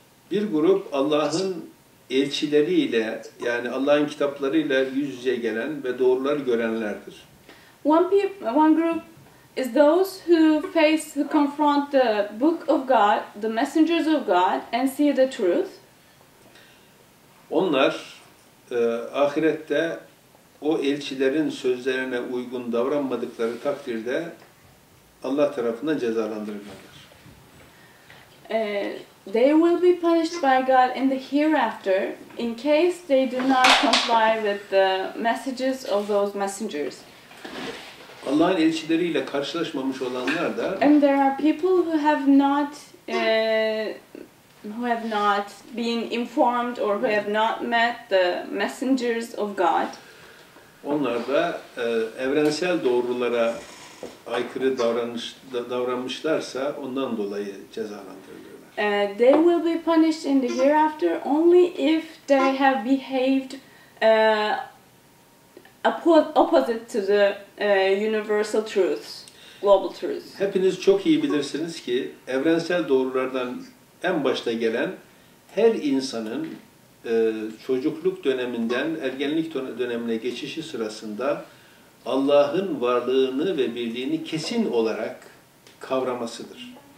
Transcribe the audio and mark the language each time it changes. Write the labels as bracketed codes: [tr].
[tr] Bir grup Allah'ın elçileriyle, yani Allah'ın kitaplarıyla yüz yüze gelen ve doğrular görenlerdir. [en] One group is those who confront the book of God, the messengers of God, and see the truth. [tr] Onlar ahirette o elçilerin sözlerine uygun davranmadıkları takdirde Allah tarafından cezalandırılırlar. [en] They will be punished by God in the hereafter in case they do not comply with the messages of those messengers. [tr] Allah'ın elçileriyle karşılaşmamış olanlar da, [en] and there are people who have not been informed or who have not met the messengers of God. [tr] Onlar da evrensel doğrulara aykırı davranmışlarsa ondan dolayı cezalandırılırlar. [en] They will be punished in the hereafter only if they have behaved opposite to the universal truths, global truths. [tr] Hepiniz çok iyi bilirsiniz ki evrensel doğrulardan en başta gelen her insanın çocukluk döneminden ergenlik dönemine geçişi sırasında Allah'ın varlığını ve birliğini kesin olarak kavramasıdır.